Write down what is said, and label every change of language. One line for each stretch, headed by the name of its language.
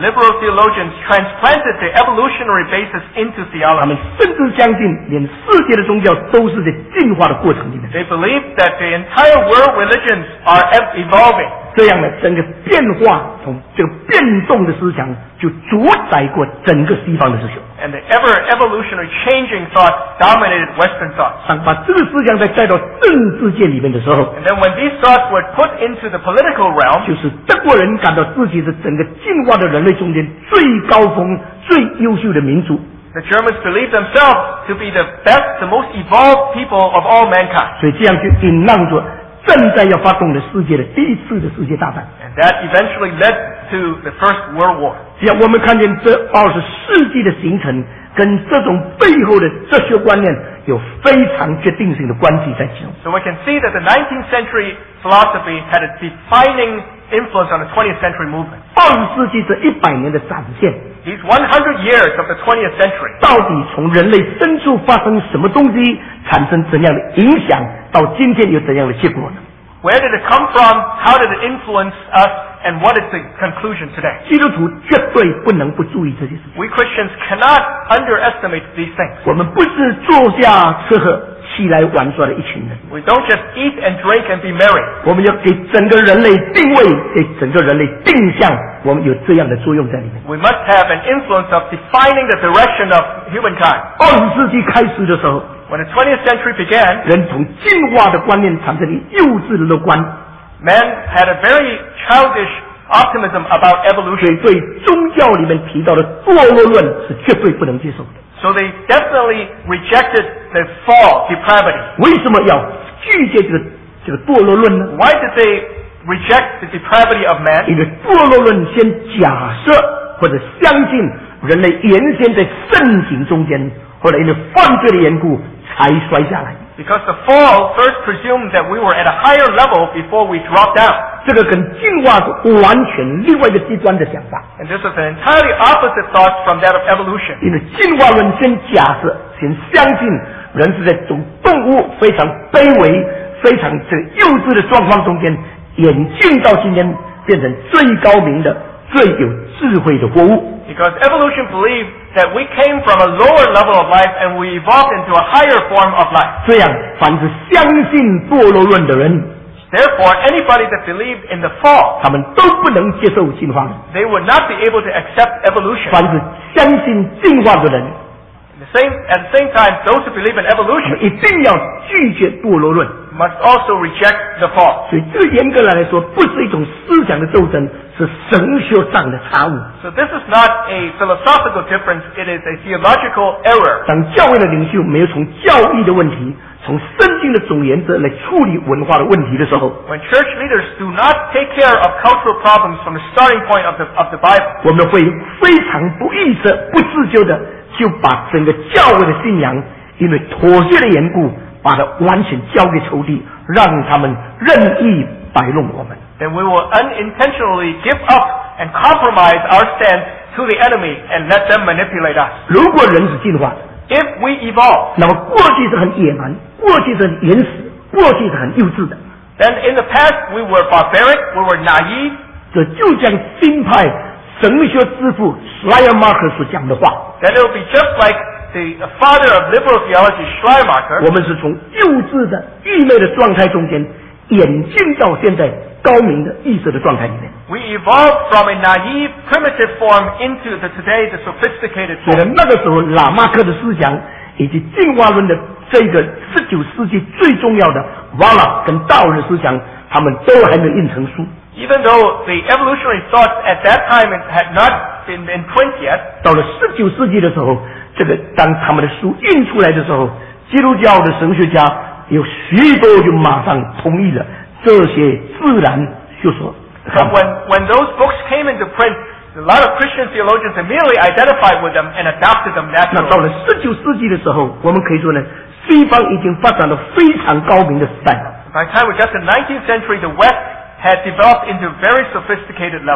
English: Liberal theologians transplanted the evolutionary basis into theology.
Chinese: 他们甚至相信连世界的宗教都是在进化的过程里面。
English: They believe that the entire world religions are evolving.
Chinese: 这样的整个变化从这个变动的思想就主宰过整个西方的思想。
English: And the ever evolutionary changing thought dominated Western thought.
Chinese: 当把这个思想再带到政治界里面的时候
English: And then when these thoughts were put into the political realm,
Chinese: 就是德国人感到自己是整个进化的人类中间最高峰最优秀的民族。
English: The Germans believed themselves to be the best, the most evolved people of all mankind.
Chinese: 所以这样就引浪着正在要发动的世界的第一次的世界大战。
English: And that eventually led to the First World War.
Chinese: 只要我们看见这二十世纪的形成跟这种背后的哲学观念有非常决定性的关系在其中。
English: So we can see that the 19th century philosophy had a defining influence on the 20th century movement.
Chinese: 二十世纪这一百年的展现。
English: These 100 years of the 20th century.
Chinese: 到底从人类深处发生什么东西产生怎样的影响到今天有怎样的结果呢
English: ？Where did it come from? How did it influence us? And what is the conclusion today?
Chinese: 基督徒绝对不能不注意这些事情。
English: We Christians cannot underestimate these things.
Chinese: 我们不是坐下吃喝、起来玩耍的一群人。
English: We don't just eat and drink and be merry.
Chinese: 我们要给整个人类定位，给整个人类定向，我们有这样的作用在里面。
English: We must have an influence of defining the direction of humankind.
Chinese: 二十世纪开始的时候。
English: When the 20th century began,
Chinese: 人从进化的观念产生了幼稚的乐观。
English: Man had a very childish optimism about evolution.
Chinese: 所以对宗教里面提到的堕落论是绝对不能接受的。
English: So they definitely rejected the fall, depravity.
Chinese: 为什么要拒绝这个堕落论呢
English: ？Why did they reject the depravity of man.
Chinese: 一个堕落论先假设或者相信人类原先在圣行中间，后来因为犯罪的缘故才摔下来。
English: Because the fall first presumed that we were at a higher level before we dropped down.
Chinese: 这个跟进化是完全另外一个极端的想法。
English: And this is an entirely opposite thought from that of evolution.
Chinese: 因为进化论先假设，先相信人是在从动物非常卑微、非常这个幼稚的状况中间，演进到今天变成最高明的、最有智慧的活物。
English: Because evolution believed that we came from a lower level of life and we evolved into a higher form of life.
Chinese: 这样，凡是相信堕落论的人，
English: therefore anybody that believed in the fall,
Chinese: 他们都不能接受进化。
English: They would not be able to accept evolution.
Chinese: 凡是相信进化的人，
English: at the same time, those who believe in evolution,
Chinese: 一定要拒绝堕落论，
English: must also reject the fall.
Chinese: 所以这严格来说，不是一种思想的斗争。是神学上的差误。
English: So this is not a philosophical difference, it is a theological error.
Chinese: 当教会的领袖没有从教义的问题，从圣经的总原则来处理文化的问题的时候，
English: when church leaders do not take care of cultural problems from the starting point of the Bible,
Chinese: 我们会非常不意识、不自觉的就把整个教会的信仰，因为妥协的缘故，把它完全交给仇敌，让他们任意摆弄我们。
English: Then we will unintentionally give up and compromise our stand to the enemy and let them manipulate us.
Chinese: 如果人是进化的，
English: if we evolve,
Chinese: 那么过去是很野蛮，过去是很原始，过去是很幼稚的。
English: Then in the past we were barbaric, we were naive.
Chinese: 这就像新派神学之父 Schleiermacher 所讲的话。
English: Then it will be just like the father of liberal theology, Schleiermacher.
Chinese: 我们是从幼稚的愚昧的状态中间演进到现在高明的意识的状态里面。
English: We evolved from a naive, primitive form into the today the sophisticated form.
Chinese: 所以那个时候，喇嘛克的思想以及进化论的这个19世纪最重要的 Wallach 跟道人思想，他们都还没印成书。
English: Even though the evolutionary thoughts at that time had not been imprinted yet,
Chinese: 到了19世纪的时候，这个当他们的书印出来的时候，基督教的神学家有许多就马上同意了。这些自然就说
English: when those books came into print, a lot of Christian theologians immediately identified with them and adopted them naturally.
Chinese: 那到了19世纪的时候，我们可以说呢，西方已经发展了非常高明的时代。
English: By the time we got to the 19th century, the West had developed into very sophisticated level.